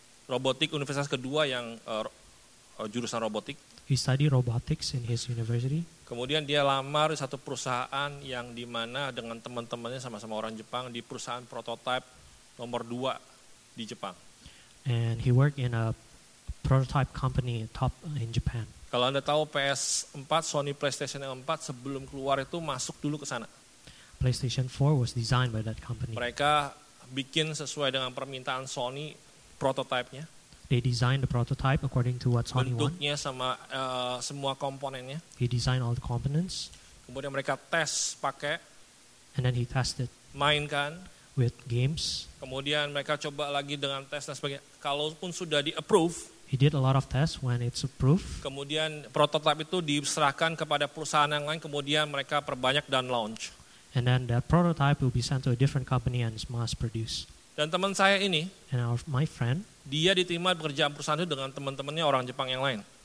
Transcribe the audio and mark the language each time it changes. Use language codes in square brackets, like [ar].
[id] Robotik universitas kedua yang jurusan robotik. [en] He studied robotics in his university. [id] Kemudian dia lamar di satu perusahaan yang di mana dengan teman-temannya sama-sama orang Jepang di perusahaan prototipe nomor 2 di Jepang. [en] And he worked in a prototype company top in Japan. [id] Kalau Anda tahu PS4, Sony PlayStation 4 sebelum keluar itu masuk dulu ke sana. [en] PlayStation 4 was designed by that company. [id] Mereka bikin sesuai dengan permintaan Sony prototipe-nya. [en] They designed the prototype according to what Sony wanted. [id] Bentuknya sama semua komponennya. [en] He designed all the components. [id] Kemudian mereka tes pakai. [en] And then he tested. [id] Mainkan. [en] With games. [id] Kemudian mereka coba lagi dengan tes dan sebagainya. Kalaupun sudah di approve. [en] He did a lot of tests when it's approved. [id] Kemudian prototipe itu diserahkan kepada perusahaan yang lain. Kemudian mereka perbanyak dan launch. [en] And then that prototype will be sent to a different company and mass produce. [id] Dan teman saya ini. [en] And my friend. [id] Dia diterima pekerjaan perusahaan itu dengan teman-temannya orang Jepang yang lain.